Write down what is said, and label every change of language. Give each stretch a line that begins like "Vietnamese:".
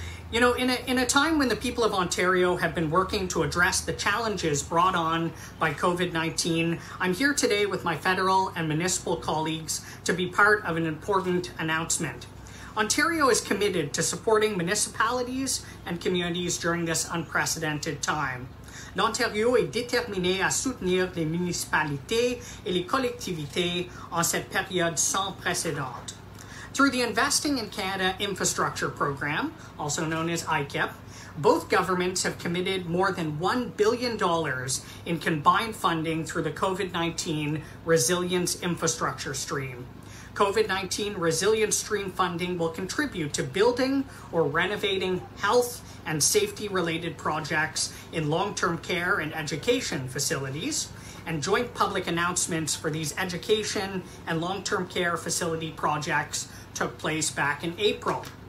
English: You know, in a time when the people of Ontario have been working to address the challenges brought on by COVID-19, I'm here today with my federal and municipal colleagues to be part of an important announcement. Ontario is committed to supporting municipalities and communities during this unprecedented time.
French: L'Ontario est déterminé à soutenir les municipalités et les collectivités en cette période sans précédent.
English: Through the Investing in Canada Infrastructure Program, also known as ICIP, both governments have committed more than $1 billion in combined funding through the COVID-19 Resilience Infrastructure Stream. COVID-19 Resilience Stream funding will contribute to building or renovating health and safety-related projects in long-term care and education facilities, and joint public announcements for these education and long-term care facility projects took place back in April.